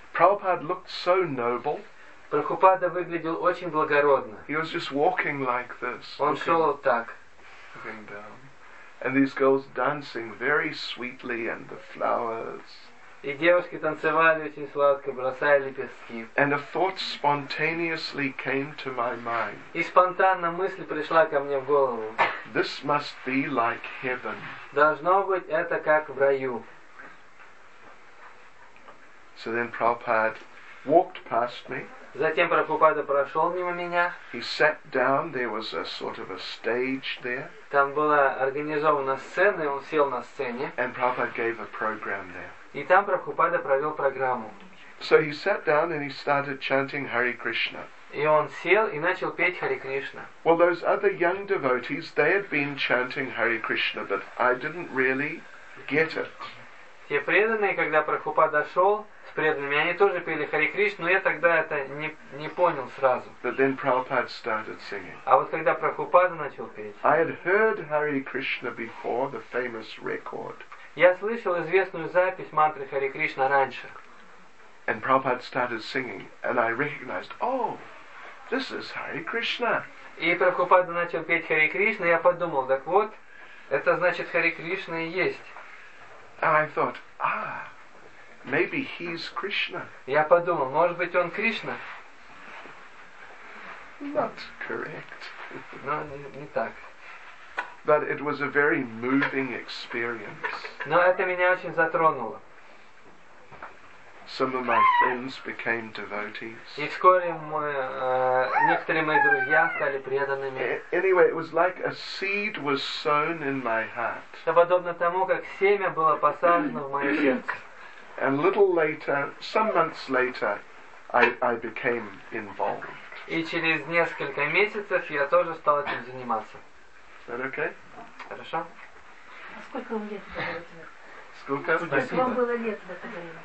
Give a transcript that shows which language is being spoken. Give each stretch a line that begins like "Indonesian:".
English: Prabhupada looked so noble.
Russian: Прабхупада выглядел очень благородно.
English: He was just walking like this.
Russian: Он шел так.
English: Looking down. And these girls dancing very sweetly, and the flowers.
Russian: И девушки танцевали очень сладко, бросая лепестки.
English: And a thought spontaneously came to my mind.
Russian: И спонтанно мысль пришла ко мне в голову.
English: This must be like heaven.
Russian: Должно быть это как в раю.
English: So then Prabhupada walked past me.
Russian: Затем Прабхупада прошел мимо меня.
English: He sat down. There was a sort of a stage there.
Russian: Там была организована сцена, и он сел на сцене.
English: And Prabhupada gave a program there.
Russian: И там Прабхупада провел программу.
English: So he sat down and he started chanting Hare Krishna.
Russian: И он сел и начал петь Hare Krishna.
English: Well, those other young devotees, they had been chanting Hare Krishna, but I didn't really get it.
Russian: Те преданные, когда Прабхупада шел с преданными, они тоже пели Hare Krishna, но я тогда это не понял сразу.
English: But then Prabhupada started singing.
Russian: А вот когда Прабхупада начал петь.
English: I had heard Hare Krishna before, the famous record.
Russian: Я слышал известную запись мантры Хари Кришна раньше.
English: And Prabhupada started singing, and I recognized, oh, this is Hare Krishna.
Russian: И Прабхупада начал петь Хари Кришна, я подумал, так вот, это значит Хари Кришна и есть.
English: I thought, ah, maybe he's Krishna.
Russian: Я подумал, может быть он Кришна.
English: Not correct.
Russian: Но не так.
English: But it was a very moving experience.
Russian: Но это меня очень затронуло.
English: Some of my friends became devotees.
Russian: И вскоре некоторые мои друзья стали преданными.
English: Anyway, it was like a seed was sown in my heart.
Russian: Это подобно тому, как семя было посажено в мое сердце.
English: And a little later, some months later, I became involved.
Russian: И через несколько месяцев я тоже стал этим заниматься.
English: Is that okay?
Russian: Хорошо. А сколько вам лет было? Сколько? Сколько вам было лет в это время?